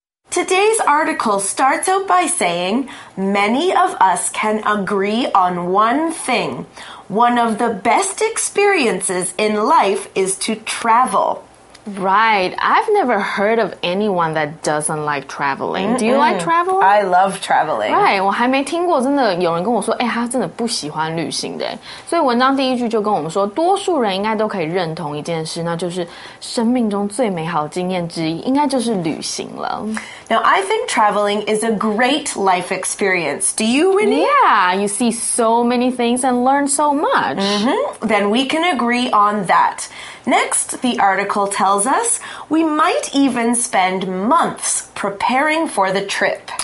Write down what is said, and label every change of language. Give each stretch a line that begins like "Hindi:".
English: Today's article starts out by saying, many of us can agree on one thing. One of the best experiences in life is to travel. Right. I've never heard of anyone that doesn't like traveling. Do you like traveling? I love traveling. Right.
Chinese: 我还没听过真的有人跟我说、欸、他真的不喜欢旅行的。所以文章第一句就跟我们说多数人应该都可以认同一件事那就是生命中最美好的经验之一应该就是旅行了。
English: Now, I think traveling is a great life experience. Do you, Winnie? Yeah. You see so many things and learn so much. Mm-hmm. Then we can agree on that. Next, the article tells us we might even spend months preparing for the trip.